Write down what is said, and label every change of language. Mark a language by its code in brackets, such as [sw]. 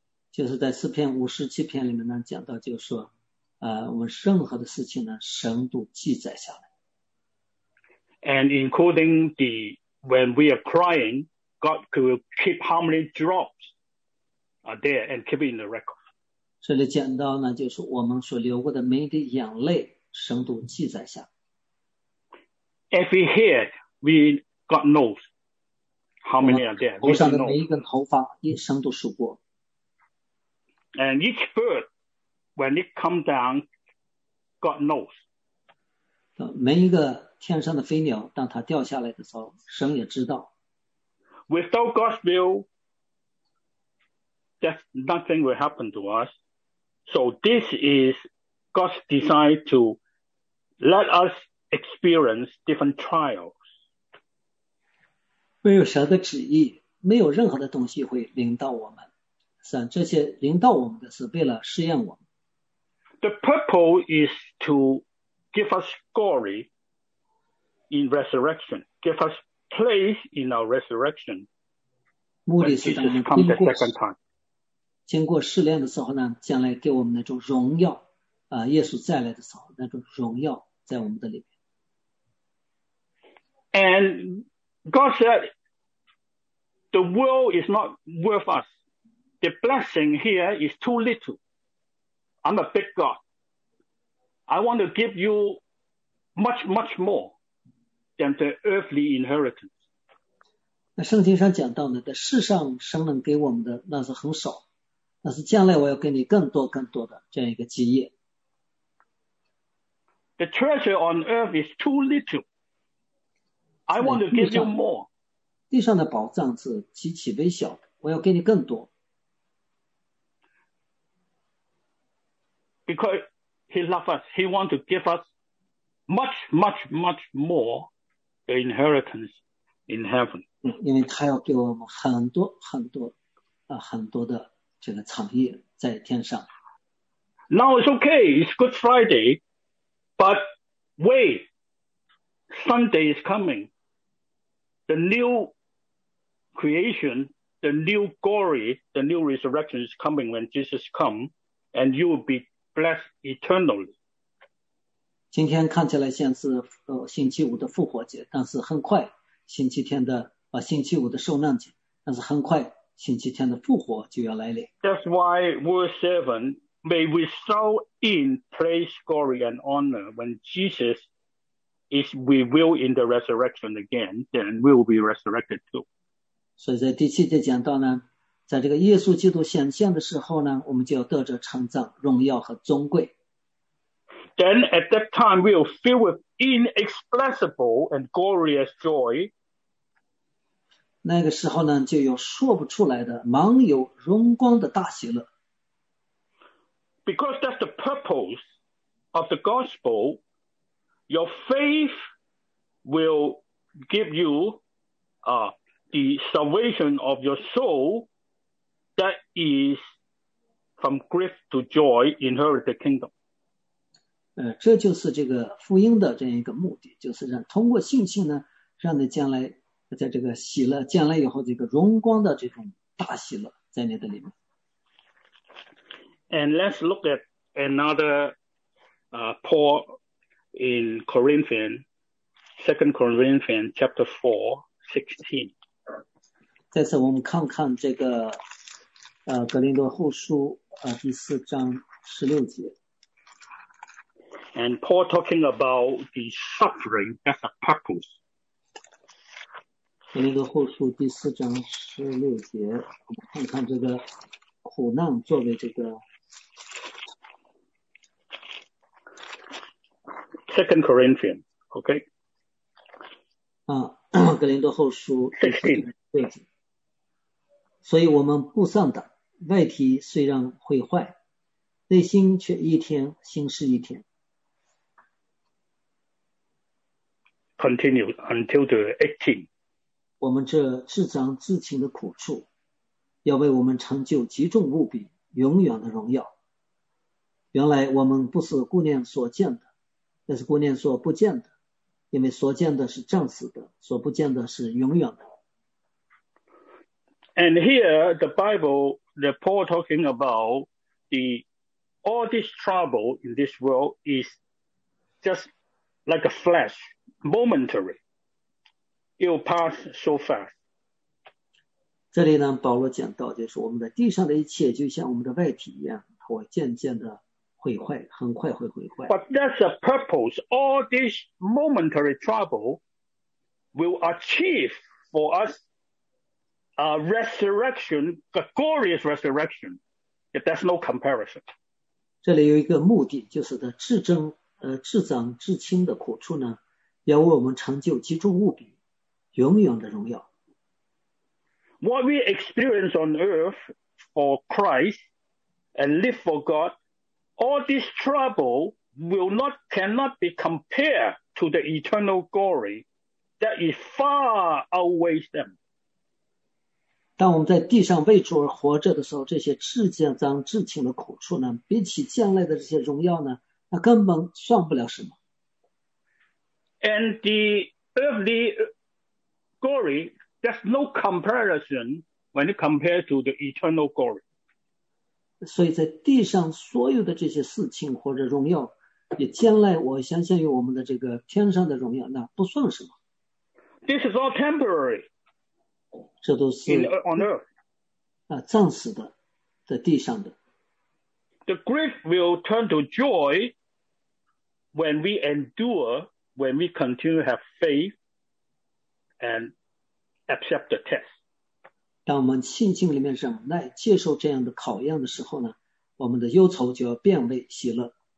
[zh] 就是在诗篇五十七篇里面呢，讲到就是说，我们任何的事情呢，神都记载下来。 [en] And including when we are crying, God will keep how many drops are there and keep it in the record. [zh] 这里讲到呢，就是我们所流过的每一滴眼泪，神都记载下来。 [en] Every hair, God knows how many are there. [zh] 头上的每一根头发，神都数过。 [en] And each bird. When it comes down, God knows. [zh] 每一个天上的飞鸟，当它掉下来的时候，神也知道。 [en] Without God's will, that nothing will happen to us. So this is God's design to let us experience different trials. [zh] 没有神的旨意，没有任何的东西会临到我们。神这些临到我们的是为了试验我们。 [en] The purpose is to give us glory in resurrection, give us place in our resurrection. [zh] 目的是当我们经过试炼的时候呢，将来给我们那种荣耀。耶稣再来的时候，那种荣耀在我们的里面。 [en] And God said, "The world is not worth us. The blessing here is too little. I'm a big God." I want to give you much, much more than the earthly inheritance. [zh] 那圣经上讲到呢，在世上神能给我们的那是很少，那是将来我要给你更多更多的这样一个基业。 [en] The treasure on earth is too little. I want to give you more. [zh] 地上的宝藏是极其微小的，我要给你更多。 [en] Because. He loves us. He wants to give us much, much, much more the inheritance in heaven. [zh] 因为他要给我们很多很多很多的这个产业在天上。 [en] Now it's okay. It's Good Friday. But wait. Sunday is coming. The new creation, the new glory, the new resurrection is coming when Jesus comes and you will be Blessed eternally. [zh] 今天看起来像是星期五的复活节，但是很快星期天的星期五的受难节，但是很快星期天的复活就要来临。 [en] That's why verse 7, may we sow in praise, glory, and honor when Jesus is revealed in the resurrection again, then we will be resurrected too. [zh] 所以在第七节讲到呢。在这个耶稣基督显现的时候呢，我们就要得着称赞、荣耀和尊贵。 [en] Then at that time we will fill with inexpressible and glorious joy. [zh] 那个时候呢，就有说不出来的、满有荣光的大喜乐。 [en] Because that's the purpose of the gospel. Your faith will give you, the salvation of your soul. That is from grief to joy, inherit the kingdom. [zh] 这就是这个福音的这样一个目的，就是让通过信心呢，让你将来在这个喜乐，将来以后这个荣光的这种大喜乐在你的里面。 [en] And let's look at another Paul in Corinthians, 2 Corinthians chapter 4, 16. [zh] 再次我们看看这个格林多后书第四章十六节。 [en] And Paul talking about the suffering as a purpose. [zh] 格林多后书第四章十六节，我们看看这个苦难作为这个。 [en] Second Corinthians, OK. [zh] 啊，格林多后书第四章十六节。所以我们不丧胆，外体虽然毁坏，内心却一天新是一天。 [en] Continue until the 18. [zh] 我们这自掌自请的苦处，要为我们成就极重无比、永远的荣耀。原来我们不是顾念所见的，但是顾念所不见的，因为所见的是暂时的，所不见的是永远的。 [en] And here the Bible, the Paul talking about the all this trouble in this world is just like a flash, momentary. It will pass so fast. [zh] 这里呢，保罗讲到，就是我们的地上的一切，就像我们的外体一样，会渐渐的毁坏，很快会毁坏。 [en] But that's the purpose. All this momentary trouble will achieve for us. Resurrection, a glorious resurrection. There's no comparison. [zh] 这里有一个目的，就是的至真至长至轻的苦处呢，要为我们成就极重无比、永远的荣耀。 [en] What we experience on earth for Christ and live for God, all this trouble will not, cannot be compared to the eternal glory that is far outweighs them. [zh] 当我们在地上为主而活着的时候，这些至脏至轻的苦处呢，比起将来的这些荣耀呢，那根本算不了什么。 [en] And the earthly glory, there's no comparison when it compared to the eternal glory. [zh] 所以在地上所有的这些事情或者荣耀，也将来我相信于我们的这个天上的荣耀，那不算什么。 [en] This is all temporary. [zh] 这都是 [en] on earth. [zh] 啊，暂时的，在地上的。 [en] The grief will turn to joy when we endure, when we continue to have faith and accept the test. [zh] 当我们信心里面忍耐，接受这样的考验的时候呢，我们的忧愁就要变为喜乐。